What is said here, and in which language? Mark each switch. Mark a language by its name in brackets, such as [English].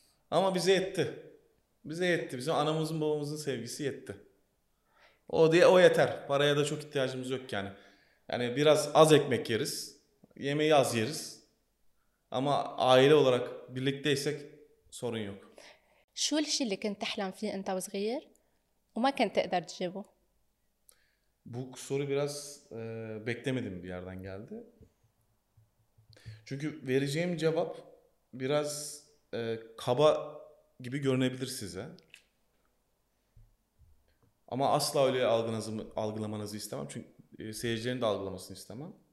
[Turkish] Ama bize yetti. Bize yetti. Bizim anamızın babamızın sevgisi yetti. O diye o yeter. Paraya da çok ihtiyacımız yok yani. Yani biraz az ekmek yeriz. Yemeği az yeriz. Ama aile olarak birlikteysek sorun yok. [Arabic] Şu الشيء اللي كنت تحلم فيه انت وصغير وما كنت تقدر تجيبه. [Turkish] Bu soru biraz beklemedim bir yerden geldi. Çünkü vereceğim cevap biraz kaba gibi görünebilir size. Ama asla öyle algılamanızı istemem. Çünkü seyircilerin de algılamasını istemem.